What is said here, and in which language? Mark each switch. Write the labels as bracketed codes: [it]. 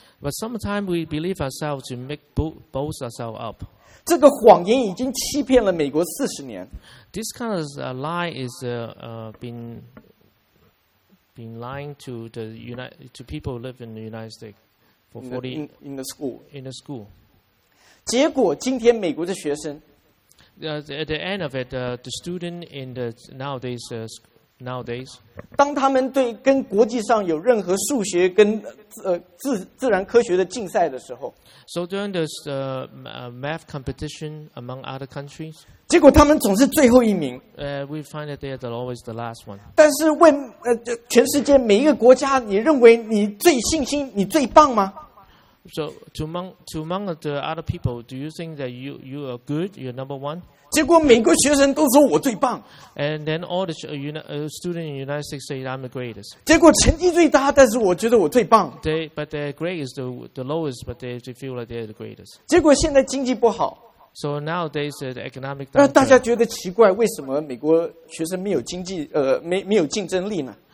[en] ？But sometimes we believe ourselves to make boast ourselves up. [zh] 这个谎言已经欺骗了美国四十年。 [en] This kind of lie is been lying to the to people who live in the United States for 40 in the school. In the school. [zh] 结果今天美国的学生 [en] ，at the end of it, the student in the nowadays. Nowadays, [zh] 当他们对跟国际上有任何数学跟自然科学的竞赛的时候 [en] ，so during the math competition among other countries, [zh] 结果他们总是最后一名。 [en] We find that they are always the last one. [zh] 但是问全世界每一个国家，你认为你最信心，你最棒吗 [en] ？So to among the other people, do you think that you are good? You're number one? [zh] 结果每个学生都说我最棒 [en] ，and then all the students in the United States say I'm the greatest. [zh] 结果成绩最大，但是我觉得我最棒。 [en] But their grade is the lowest, but they feel like they're the greatest. [zh] 结果现在经济不好 [en] ，so nowadays the economic downturn. [zh] 大家觉得奇怪，为什么美国学生没有经济没有竞争力呢